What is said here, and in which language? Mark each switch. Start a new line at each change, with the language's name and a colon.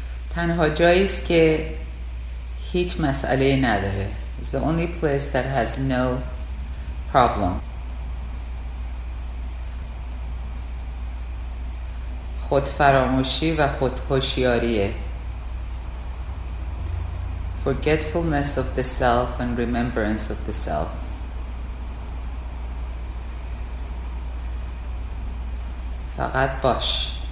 Persian: تنها جایی است که هیچ مسئله نداره.
English: It's the only place that has no problem.
Persian: خود فراموشی و خود هوشیاریه.
English: Forgetfulness of the self and remembrance of the self.
Persian: فقط باش.